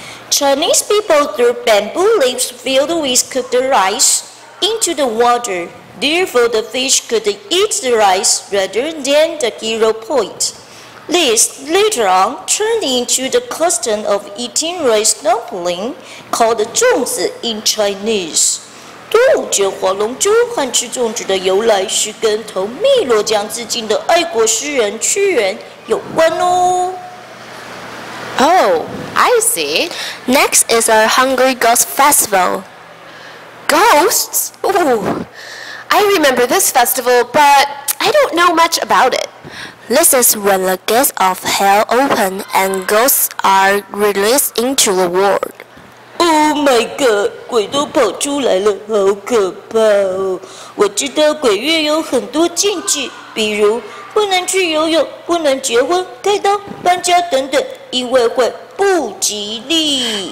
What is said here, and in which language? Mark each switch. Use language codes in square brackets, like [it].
[en] Chinese people threw bamboo leaves filled with cooked rice into the water. Therefore, the fish could eat the rice rather than the hero poet. This, later on, turned into the custom of eating rice dumpling, called 粽子 in Chinese. [zh] 端午节划龙舟和吃粽子的由来是跟投汨罗江自尽的爱国诗人屈原有关哦。 [en] Oh, I see. Next is a Hungry Ghost Festival. Ghosts? Ooh, I remember this festival, but I don't know much about it. This is when the gates of hell open and ghosts are released into the world. Oh my god, [zh] 鬼都跑出来了，好可怕哦。我知道鬼月有很多禁忌，比如不能去游泳，不能结婚，开刀，搬家等等，因为会不吉利。